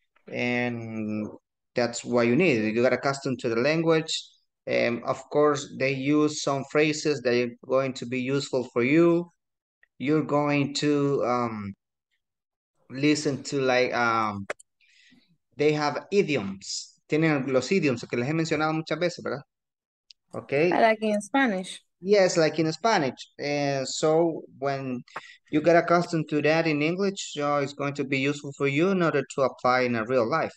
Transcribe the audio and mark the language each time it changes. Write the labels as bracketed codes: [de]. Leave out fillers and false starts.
[en] And that's what you need. You got accustomed to the language. Of course, they use some phrases that are going to be useful for you. You're going to listen to, like, they have idioms. [es] Tienen los idioms que les he mencionado muchas veces, ¿verdad? [en] Okay. Like in Spanish. Yes, like in Spanish. So when you get accustomed to that in English, it's going to be useful for you in order to apply in a real life.